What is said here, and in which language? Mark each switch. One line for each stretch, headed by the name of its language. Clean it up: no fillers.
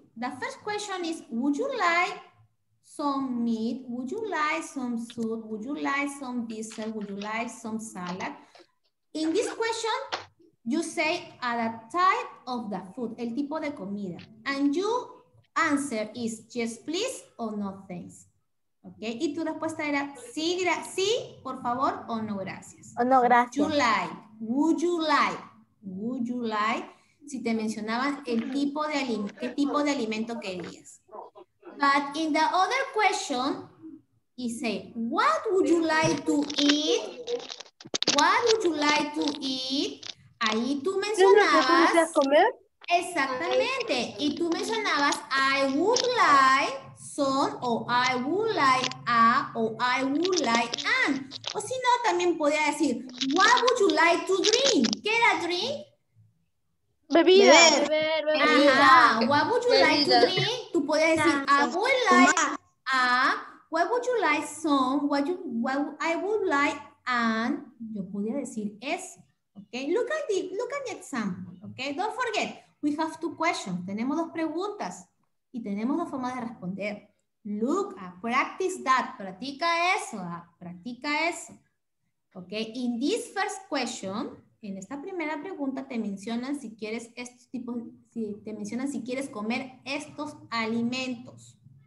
English: The first question is, would you like some meat, would you like some soup, would you like some dessert, would you like some salad? In this question, you say the type of the food,
Spanish: el tipo de comida.
English: And you answer is yes, please, or no, thanks.
Spanish: Okay, y tu respuesta era sí, sí por favor, o no, gracias. O no, gracias.
English: Would you like, would you like,
Spanish: would you like, si te mencionaban el tipo de alimento, qué tipo de alimento querías.
English: But in the other question, he say, what would you like to eat? What would you like to eat?
Spanish: Ahí tú mencionabas. ¿Qué comer? Exactamente. Y tú mencionabas,
English: I would like some, o I would like a, o I would like an.
Spanish: O si no, también podía decir,
English: what would you like to drink?
Spanish: ¿Qué era drink? Bebida. Beber.
English: Ajá. What would you like to drink?
Spanish: Puedes decir,
English: I would like a, what would you like some, what I would like an,
Spanish: yo podría decir es,
English: okay? Look at the example, okay? Don't forget, we have two questions.
Spanish: Tenemos dos preguntas y tenemos dos formas de responder.
English: Look at, practice that,
Spanish: practica eso, practica eso.
English: Okay, in this first question,
Spanish: en esta primera pregunta te mencionan si quieres estos tipos, si te mencionan si quieres comer estos alimentos.